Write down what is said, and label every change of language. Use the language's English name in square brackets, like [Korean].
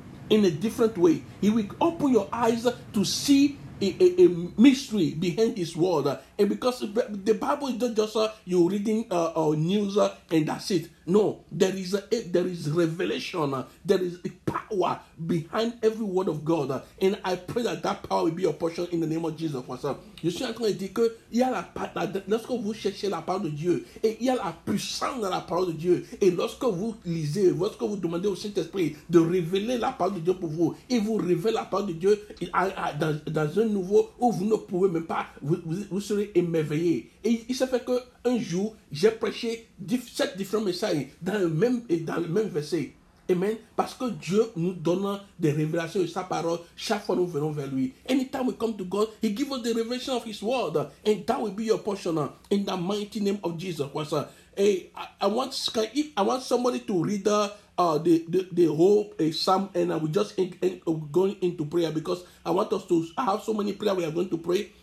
[English] In a different way, he will open your eyes to see a mystery behind his word. And because the Bible is not just you reading news and that's it. No, there is revelation. There is a power behind every word of God. And I pray that power will be your portion in the name of Jesus Christ. [French] Je suis en train de dire que il y a lorsque vous cherchez la parole de Dieu et il y a la puissance dans la parole de Dieu et lorsque vous lisez, lorsque vous demandez au Saint-Esprit de révéler la parole de Dieu pour vous, il vous révèle la parole de Dieu dans un nouveau où vous ne pouvez même pas, vous serez émerveillé. Et il se fait qu'un jour, j'ai prêché sept différents messages dans le même verset. Amen. Parce que Dieu nous donne des révélations de sa parole chaque fois que nous venons vers lui. [English] Anytime we come to God, he gives us the revelation of his word. And that will be your portion in the mighty name of Jesus. I want somebody to read the whole psalm, and I will just go into prayer because I want us to have so many prayer we are going to pray.